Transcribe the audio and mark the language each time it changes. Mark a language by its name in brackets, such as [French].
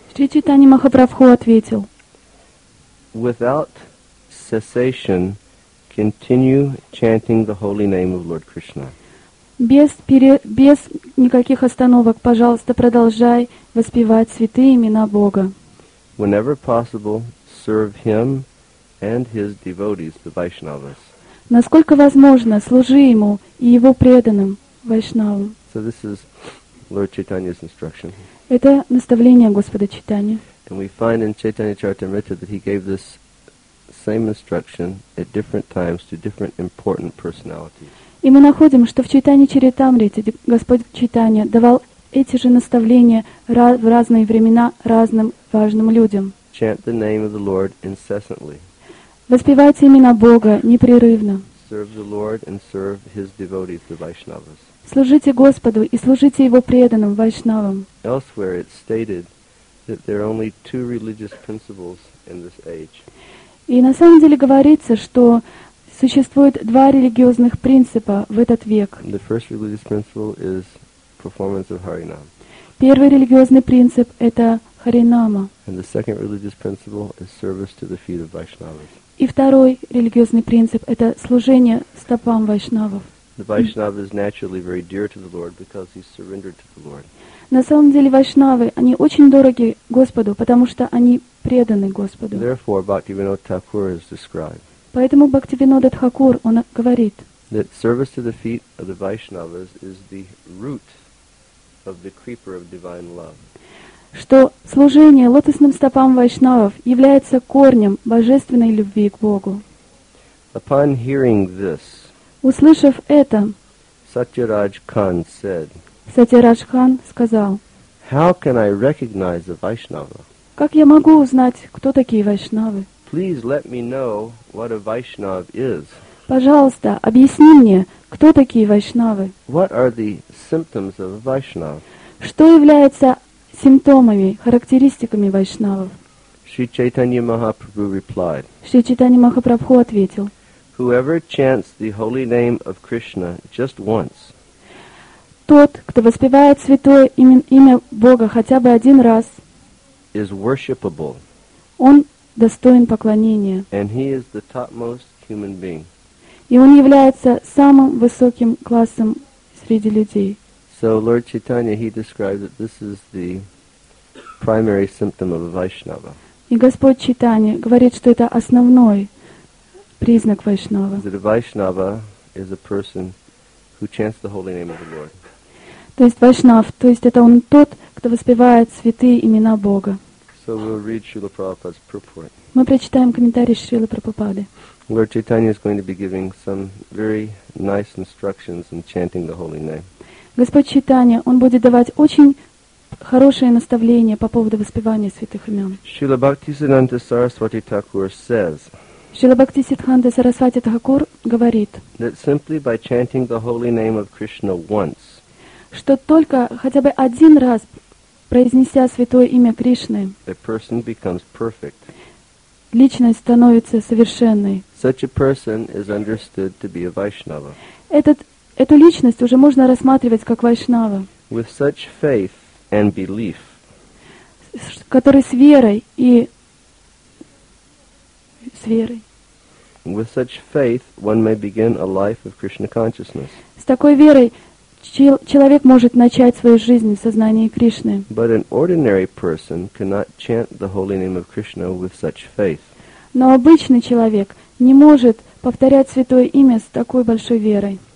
[Russian] Шри Чайтанья Махапрабху ответил. [English] Without cessation, continue chanting the holy name of Lord Krishna. [Russian] Без никаких остановок, пожалуйста, продолжай воспевать святые имена Бога. [English] Whenever possible, serve him and his devotees, the Vaishnavas. [Russian] Насколько возможно, служи ему и его преданным, Вайшнавам. [English] So this is Lord Chaitanya's instruction. [Russian] Это наставление Господа Чайтаньи. [English] And we find in Chaitanya Charitamrita that he gave this same instruction at different times to different important personalities. [Russian] И мы находим, что в Чайтанье Чаритамрите Господь Чайтанья давал эти же наставления в разные времена разным важным людям. [English] Chant the name of the Lord incessantly. [Russian] Воспевайте имена Бога непрерывно. [English] Serve the Lord and serve his devotees, the Vaishnavas. [Russian] Служите Господу и служите Его преданным, Вайшнавам. [English] Elsewhere it's stated that there are only two religious principles in this age. [Russian] И на самом деле говорится, что существует два религиозных принципа в этот век. [English] The first religious principle is performance of Harinam. [Russian] Первый религиозный принцип – это Харинама. [English] And the second religious principle is service to the feet of Vaishnavas. [Russian] И второй религиозный принцип – это служение стопам Вайшнавов. [English] The Vaishnava is naturally very dear to the Lord because he surrendered to the Lord. [Russian] На самом деле Вайшнавы, они очень дороги Господу, потому что они преданы Господу. [English] Therefore, Bhaktivinoda Thakur is described. [Russian] Поэтому Бхактивинода Тхакур, он говорит, [English] that service to the feet of the Vaishnavas is the root of the creeper of divine love. [Russian] Что служение лотосным стопам Вайшнавов является корнем божественной любви к Богу. [English] Upon hearing this, [Russian] услышав это, [English] Сатьярадж Хан said, [Russian] Сатьярадж Хан сказал, [English] how can I recognize a Vaishnava? [Russian] Как я могу узнать, кто такие Вайшнавы? [English] Please let me know what a Vaishnav is. [Russian] Пожалуйста, объясни мне, кто такие Вайшнавы? [English] What are the symptoms of a Vaishnav? [Russian] Что является симптомами, характеристиками Вайшнавов? [English] Шри Чайтанья Махапрабху replied. [Russian] Шри Чайтанья Махапрабху ответил. [English] Whoever chants the holy name of Krishna just once. [Russian] Тот, кто воспевает святое имя Бога хотя бы один раз. [English] Is worshipable. [Russian] Он достоин поклонения. [English] And he is the topmost human being. [Russian] И он является самым высоким классом среди людей. [English] So Lord Chaitanya, he describes that this is the primary symptom of a Vaishnava. [Russian] И Господь Чайтанья говорит, что это основной признак Вайшнава. [English] That a Vaishnava is a person who chants the holy name of the Lord. [Russian] То есть Вайшнав, то есть это он тот, кто воспевает святые имена Бога. [English] So we'll read Srila Prabhupada's purport. [Russian] Мы прочитаем комментарий Шрилы Прабхупады. [English] Lord Chaitanya is going to be giving some very nice instructions in chanting the holy name. [Russian] Господь Чайтанья, он будет давать очень хорошее наставление по поводу воспевания святых имен. [English] Srila Bhaktisiddhanta Saraswati Thakur says. [Russian] Srila Bhaktisiddhanta Saraswati Thakur говорит. [English] That simply by chanting the holy name of Krishna once. [Russian] Что только хотя бы один раз произнеся святое имя Кришны. [English] A person becomes perfect. [Russian] Личность становится совершенной. [English] Such a person is understood to be a Vaishnava. [Russian] Эту личность уже можно рассматривать как вайшнава. [English] With such faith and belief. [Russian] Который с верой и... С верой. [English] With such faith, one may begin a life of Krishna consciousness. [Russian] С такой верой человек может начать свою жизнь в сознании Кришны. [English] But an ordinary person cannot chant the holy name of Krishna with such faith. [Russian] Но обычный человек не может повторять святое имя с такой большой верой.